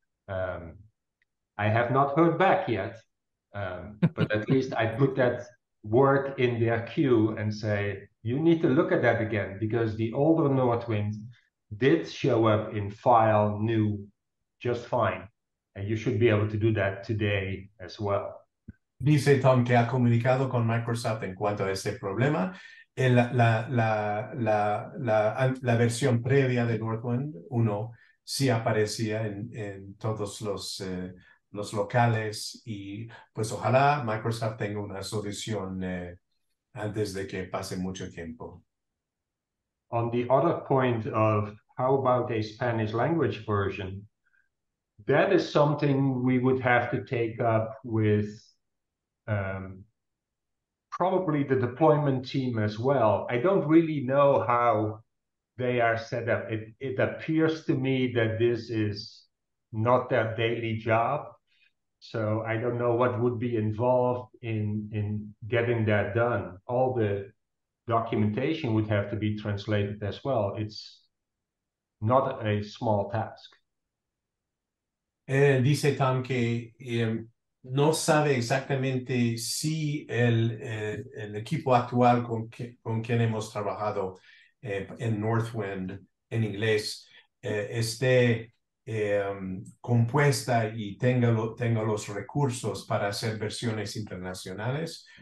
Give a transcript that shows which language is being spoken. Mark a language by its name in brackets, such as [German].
[English] I have not heard back yet, but at least I put that work in their queue and say, you need to look at that again, because the older Northwind did show up in file new just fine. And you should be able to do that today as well. [Spanish] Dice Tom que ha comunicado con Microsoft en cuanto a ese problema. La versión previa de Northwind 1 sí aparecía en todos los locales, y pues ojalá Microsoft tenga una solución antes de que pase mucho tiempo. [English] On the other point of how about a Spanish language version, that is something we would have to take up with probably the deployment team as well. I don't really know how they are set up. It appears to me that this is not their daily job, So I don't know what would be involved in getting that done. All the documentation would have to be translated as well. It's not a small task. [Spanish] Él dice, Tom, que no sabe exactamente si el equipo actual con quien hemos trabajado en Northwind, en inglés, esté compuesta y tenga los recursos para hacer versiones internacionales.